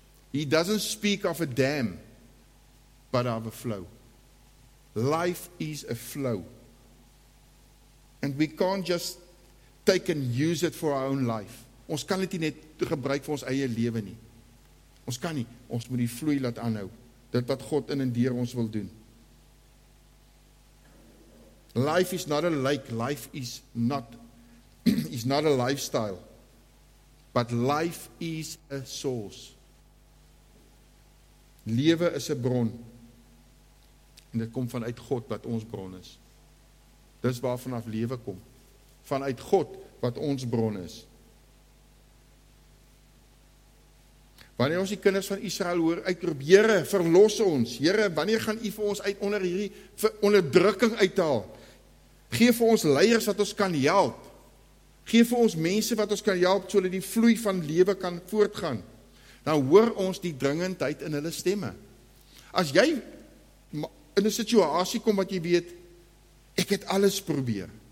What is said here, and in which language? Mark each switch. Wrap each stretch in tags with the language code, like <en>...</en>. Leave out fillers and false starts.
<en>He doesn't speak of a dam, but of a flow. Life is a flow. And we can't just take and use it for our own life.</en> <af>Ons kan dit nie net gebruik vir ons eie lewe nie. Ons kan nie. Ons moet die vloei laat aanhou. Dit wat God in en deur ons wil doen.</af> <en>Life is not a lake. Life is not is not a lifestyle. But life is a source.</en> <af>Lewe is 'n bron. En dit kom vanuit God wat ons bron is. Dis waar vanaf lewe kom. Vanuit God wat ons bron is. Wanneer ons die kinders van Israel hoor uitroep, Here, verlos ons. Here, wanneer gaan U vir ons uit onder hierdie onderdrukking uithaal? Gee vir ons leiers wat ons kan help. Gee vir ons mense wat ons kan help sodat die vloei van lewe kan voortgaan. Dan hoor ons die dringendheid in hulle stemme. As jy in 'n situasie kom wat jy weet ek het alles probeer.</af>